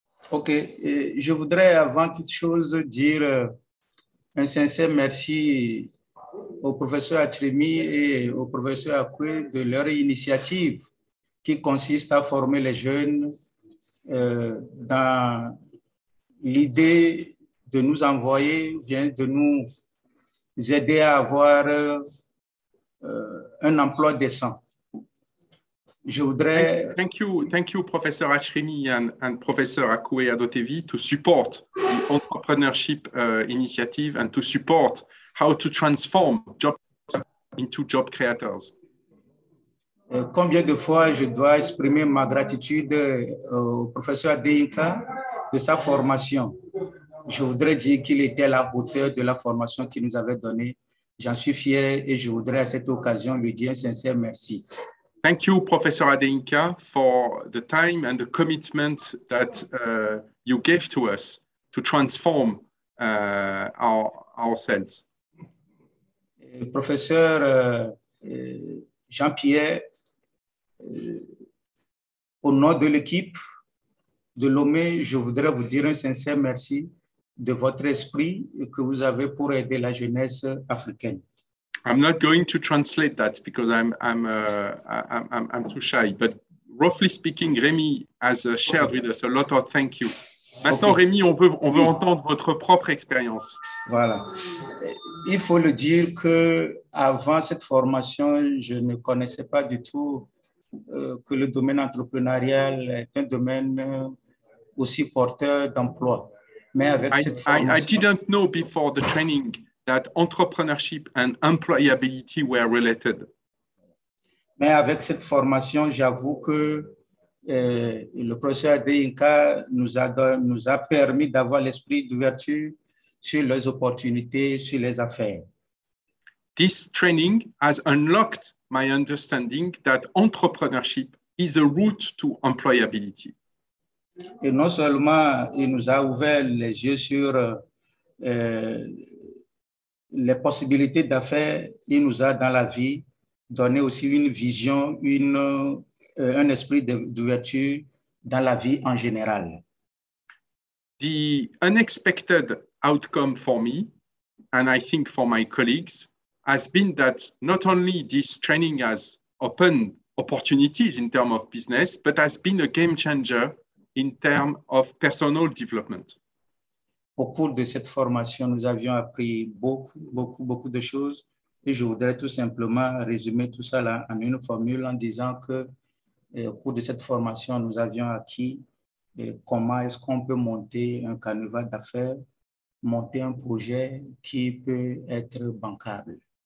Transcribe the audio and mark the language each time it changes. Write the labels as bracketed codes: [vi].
[fr] OK, et je voudrais avant toute chose dire un sincère merci au professeur Atrimi et au professeur Akwe de leur initiative qui consiste à former les jeunes dans l'idée de nous envoyer, bien de nous aider à avoir... un emploi décent. Je voudrais... [en] Thank you, Professor Ashrini and Professor Akwe Adotevi to support the entrepreneurship initiative and to support how to transform jobs into job creators. [fr] Combien de fois je dois exprimer ma gratitude au professeur Adeyinka de sa formation. Je voudrais dire qu'il était à la hauteur de la formation qu'il nous avait donnée. J'en suis fier et je voudrais à cette occasion lui dire un sincère merci. [en] Thank you, Professor Adeyinka, for the time and the commitment that you gave to us to transform ourselves. [fr] Professeur Jean-Pierre, au nom de l'équipe de Lomé, je voudrais vous dire un sincère merci de votre esprit que vous avez pour aider la jeunesse africaine. [en] I'm not going to translate that because I'm too shy. But roughly speaking, Rémi has shared with us a lot of thank you. [fr] Maintenant, okay. Rémi, on veut entendre votre propre expérience. Voilà. Il faut le dire que avant cette formation, je ne connaissais pas du tout que le domaine entrepreneurial est un domaine aussi porteur d'emploi. Mais avec [en] I didn't know before the training that entrepreneurship and employability were related. [fr] Mais avec cette formation, j'avoue que le professeur Deinka nous a permis d'avoir l'esprit d'ouverture sur les opportunités, sur les affaires. [en] This training has unlocked my understanding that entrepreneurship is a route to employability. [fr] Et non seulement il nous a ouvert les yeux sur les possibilités d'affaires, il nous a dans la vie donné aussi une vision, un esprit d'ouverture dans la vie en général. [en] The unexpected outcome for me, and I think for my colleagues, has been that not only this training has opened opportunities in terms of business, but has been a game changer in terms of personal development. [fr] Au cours de cette formation, nous avions appris beaucoup, beaucoup, beaucoup de choses. Et je voudrais tout simplement résumer tout ça là en une formule en disant que au cours de cette formation, nous avions acquis comment est-ce qu'on peut monter un canevas d'affaires, monter un projet qui peut être bancable.